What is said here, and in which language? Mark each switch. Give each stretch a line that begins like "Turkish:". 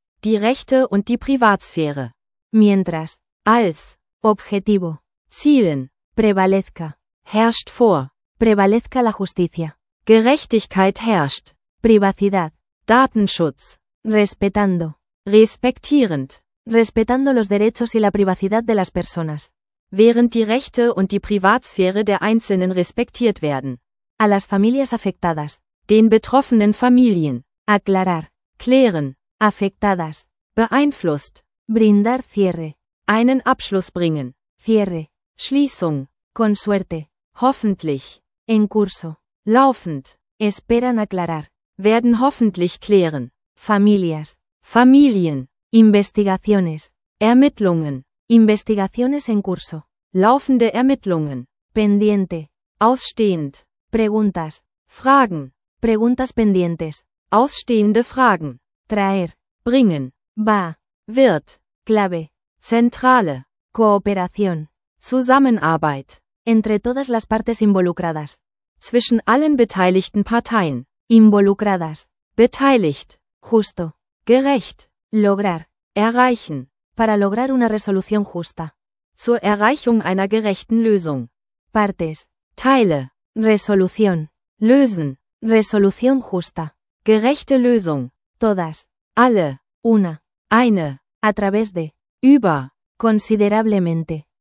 German: Die Rechte und die Privatsphäre.
Spanish: Mientras.
German: Als.
Spanish: Objetivo.
German: Zielen.
Spanish: Prevalezca.
German: Herrscht vor.
Spanish: Prevalezca la justicia.
German: Gerechtigkeit herrscht.
Spanish: Privacidad.
German: Datenschutz.
Spanish: Respetando.
German: Respektierend.
Spanish: Respetando los derechos y la privacidad de las personas.
German: Während die Rechte und die Privatsphäre der Einzelnen respektiert werden.
Spanish: A las familias afectadas.
German: Den betroffenen Familien.
Spanish: Aclarar.
German: Klären.
Spanish: Afectadas.
German: Beeinflusst.
Spanish: Brindar cierre.
German: Einen Abschluss bringen.
Spanish: Cierre.
German: Schließung.
Spanish: Con suerte.
German: Hoffentlich.
Spanish: En curso.
German: Laufend.
Spanish: Esperan aclarar.
German: Werden hoffentlich klären.
Spanish: Familias.
German: Familien.
Spanish: Investigaciones.
German: Ermittlungen.
Spanish: Investigaciones en curso.
German: Laufende Ermittlungen.
Spanish: Pendiente.
German: Ausstehend.
Spanish: Preguntas.
German: Fragen.
Spanish: Preguntas pendientes.
German: Ausstehende Fragen.
Spanish: Traer.
German: Bringen.
Spanish: Va.
German: Wird.
Spanish: Clave.
German: Zentrale.
Spanish: Kooperación.
German: Zusammenarbeit.
Spanish: Entre todas las partes involucradas.
German: Zwischen allen beteiligten Parteien.
Spanish: Involucradas.
German: Beteiligt.
Spanish: Justo.
German: Gerecht.
Spanish: Lograr.
German: Erreichen.
Spanish: Para lograr una resolución justa.
German: Zur Erreichung einer gerechten Lösung.
Spanish: Partes.
German: Teile.
Spanish: Resolución.
German: Lösen.
Spanish: Resolución justa.
German: Gerechte Lösung.
Spanish: Todas.
German: Alle.
Spanish: Una.
German: Eine.
Spanish: A través de.
German: Über.
Spanish: Considerablemente.